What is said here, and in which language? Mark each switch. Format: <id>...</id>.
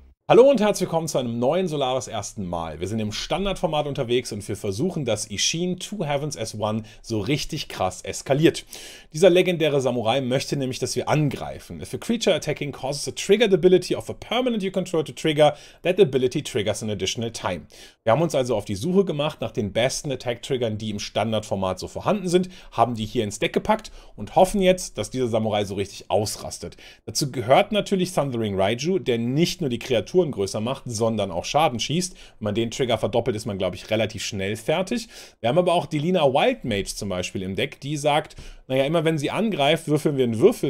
<de>Hallo und herzlich willkommen zu einem neuen Sol4r1s ersten Mal. Wir sind im Standardformat unterwegs und wir versuchen, das Isshin Two Heavens as One so richtig krass eskaliert. Dieser legendäre Samurai möchte nämlich, dass wir angreifen.</de> <en>If a creature attacking causes a triggered ability of a permanent you control to trigger, that ability triggers an additional time.</en> <de>Wir haben uns also auf die Suche gemacht nach den besten Attack-Triggern, die im Standardformat so vorhanden sind, haben die hier ins Deck gepackt und hoffen jetzt, dass dieser Samurai so richtig ausrastet. Dazu gehört natürlich Thundering Raiju, der nicht nur die Kreatur größer macht, sondern auch Schaden schießt. Wenn man den Trigger verdoppelt, ist man, glaube ich, relativ schnell fertig. Wir haben aber auch die Lina Wildmage zum Beispiel im Deck, die sagt, naja, immer wenn sie angreift, würfeln wir einen Würfel.</de>